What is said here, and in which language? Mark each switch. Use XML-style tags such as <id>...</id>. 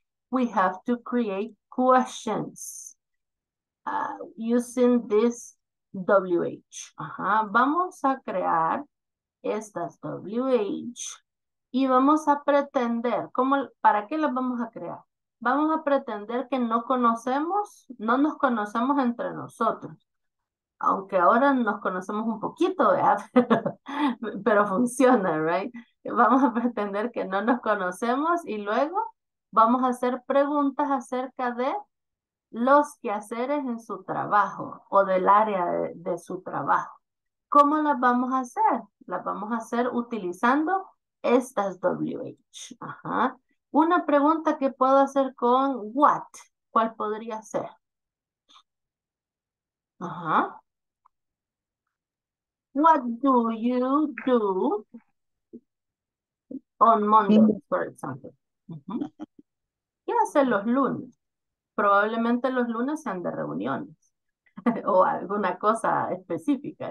<en>We have to create questions using this WH. Ajá.</en> <es>Vamos a crear estas WH y vamos a pretender, ¿para qué las vamos a crear? Vamos a pretender que no nos conocemos entre nosotros. Aunque ahora nos conocemos un poquito, ¿verdad? Pero funciona, right? Vamos a pretender que no nos conocemos y luego vamos a hacer preguntas acerca de los quehaceres en su trabajo o del área de su trabajo. ¿Cómo las vamos a hacer? Las vamos a hacer utilizando estas WH. Ajá. Una pregunta que puedo hacer con what, ¿cuál podría ser? Ajá.</es> <en>What do you do on Monday, for example?</en> <es>¿Qué hacen los lunes? Probablemente los lunes sean de reuniones o alguna cosa específica.</es>